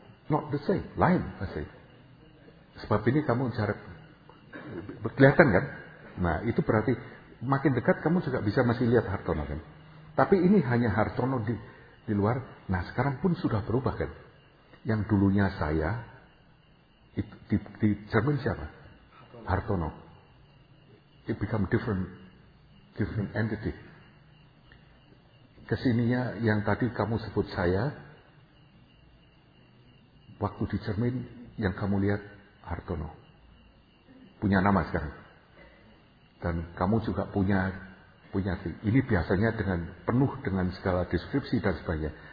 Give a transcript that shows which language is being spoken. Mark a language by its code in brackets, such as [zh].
[en] Not the same, [id] lain pasti. Sebab ini kamu jarak kelihatan kan? Nah itu berarti makin dekat kamu juga bisa masih lihat Hartono kan? Tapi ini hanya Hartono di luar. Nah sekarang pun sudah berubah kan? Yang dulunya saya itu, di cermin siapa? Hartono. [en] It become different entity. [id] Kesininya yang tadi kamu sebut saya. Waktu di cermin yang kamu lihat Hartono punya nama sekarang dan kamu juga punya ini biasanya dengan penuh dengan segala deskripsi dan sebagainya.